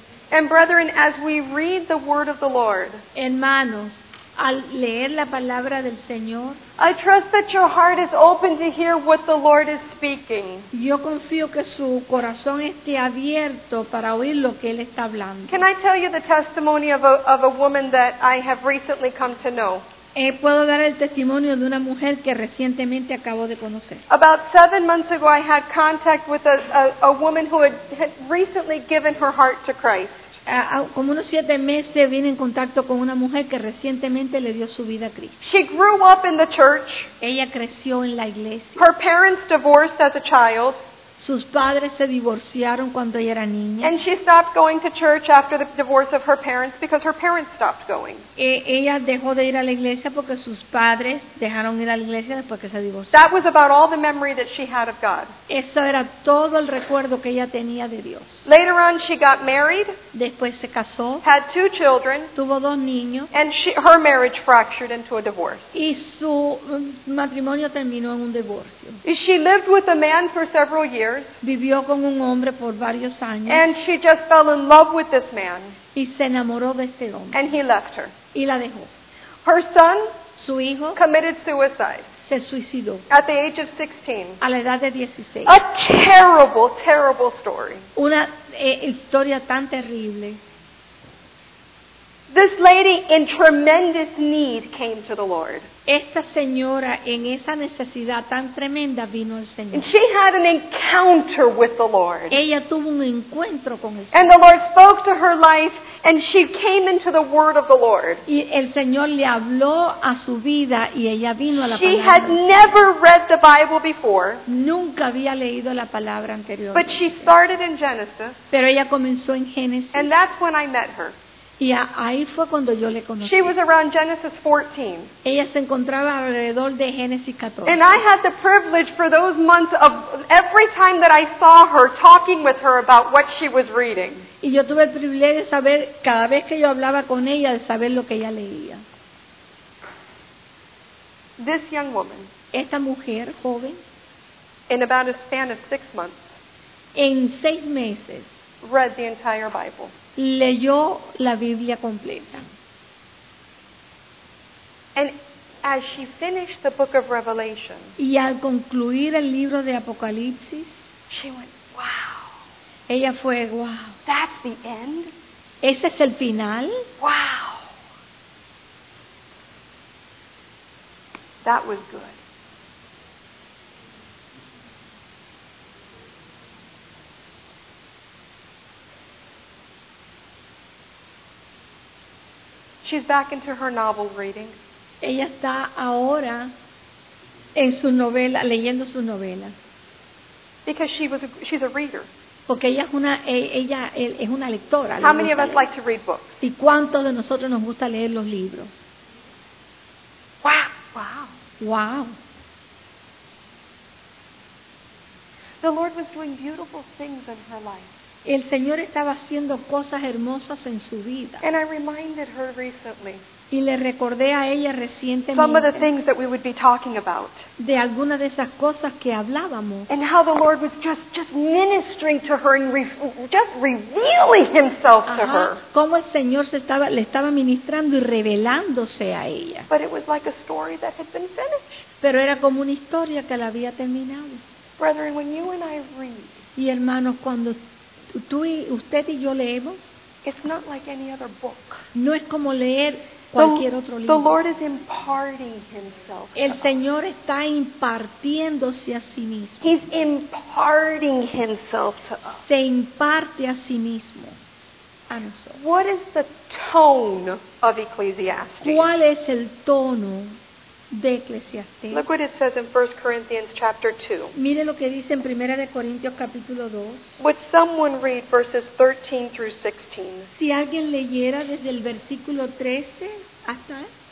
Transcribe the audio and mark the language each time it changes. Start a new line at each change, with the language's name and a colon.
English: And brethren, as we read the word of the Lord,
Spanish: hermanos, al leer la palabra del Señor,
English: I trust that your heart is open to hear what the Lord is speaking.
Spanish: Yo confío que su corazón esté abierto para oír lo que él está hablando.
English: Can I tell you the testimony of a woman that I have recently come to know?
Spanish: Puedo dar el testimonio de una mujer que recientemente acabo de conocer.
English: About 7 months ago, I had contact with a woman who had recently given her heart to Christ.
Spanish: Como unos 7 meses, vine en contacto con una mujer que recientemente le dio su vida a Cristo.
English: She grew up in the church.
Spanish: Ella creció en la iglesia.
English: Her parents divorced as a child.
Spanish: Sus padres se divorciaron cuando ella era niña.
English: And she stopped going to church after the divorce of her parents because her parents stopped going.
Spanish: Ella dejó de ir a la iglesia porque sus padres dejaron ir a la iglesia después que se divorciaron.
English: That was about all the memory that she had of God.
Spanish: Eso era todo el recuerdo que ella tenía de Dios.
English: Later on she got married.
Spanish: Después se casó.
English: Had 2 children.
Spanish: Tuvo 2 niños.
English: And her marriage fractured into a divorce.
Spanish: Y su matrimonio terminó en un divorcio.
English: She lived with a man for several years.
Spanish: Vivió con un hombre por varios años.
English: And she just fell in love with this man.
Spanish: Y se enamoró de este hombre.
English: And he left her.
Spanish: Y la dejó.
English: Her son,
Spanish: su hijo,
English: committed suicide.
Spanish: Se suicidó.
English: At the age of 16.
Spanish: A la edad de 16.
English: A terrible, terrible story.
Spanish: Una historia tan terrible.
English: This lady in tremendous need came to the Lord.
Spanish: Esta señora en esa necesidad tan tremenda vino al Señor.
English: And she had an encounter with the Lord.
Spanish: Ella tuvo un encuentro con el Señor.
English: And the Lord spoke to her life and she came into the word of the Lord.
Spanish: Y el Señor le habló a su vida y ella vino a la palabra.
English: She had never read the Bible before.
Spanish: Nunca había leído la palabra anterior.
English: But she started in Genesis.
Spanish: Pero ella comenzó en Génesis.
English: And that's when I met her.
Spanish: Y ahí fue cuando yo le conocí.
English: She was around Genesis 14.
Spanish: Ella se encontraba alrededor de Génesis 14.
English: And I had the privilege for those months of every time that I saw her talking with her about what she was reading.
Spanish: Y yo tuve el privilegio de saber cada vez que yo hablaba con ella de saber lo que ella leía.
English: This young woman.
Spanish: Esta mujer joven.
English: In about a span of 6 months.
Spanish: En 6 meses.
English: Read the entire Bible.
Spanish: Leyó la Biblia completa.
English: And as she finished the book of Revelation,
Spanish: y al concluir el libro de Apocalipsis,
English: she went, wow.
Spanish: Ella fue, wow.
English: That's the end?
Spanish: Ese es el final?
English: Wow. That was good. She's back into her novel reading.
Spanish: Ella está ahora en su novela, leyendo su novela.
English: Because she's a reader.
Spanish: Porque ella es una lectora.
English: How many of us like to read books?
Spanish: ¿Y cuántos de nosotros nos gusta leer los libros?
English: Wow. Wow. The Lord was doing beautiful things in her life.
Spanish: El Señor estaba haciendo cosas hermosas en su vida.
English: And I reminded her recently.
Spanish: Y le recordé a ella recientemente.
English: Some of the things that we would be talking about.
Spanish: De algunas de esas cosas que hablábamos.
English: And how the Lord was just ministering to her and just revealing himself to her.
Spanish: Cómo el Señor le estaba ministrando y revelándose a ella.
English: But it was like a story that had been finished.
Spanish: Pero era como una historia que la había terminado.
English: Brethren, when you and I read.
Spanish: Y hermanos, cuando usted y yo leemos,
English: it's not like any other book.
Spanish: No es como leer cualquier otro libro.
English: The Lord is imparting himself.
Spanish: El Señor está impartiéndose a sí mismo.
English: He's imparting himself to us.
Spanish: Se imparte a sí mismo a nosotros.
English: What is the tone of Ecclesiastes?
Spanish: ¿Cuál es el tono de Ecclesiastes?
English: Look what it says in 1 Corinthians chapter 2.
Spanish: Mire lo que dice en 1 Corintios capítulo 2.
English: Would someone read verses 13 through 16?
Spanish: Si alguien leyera desde el versículo 13 hasta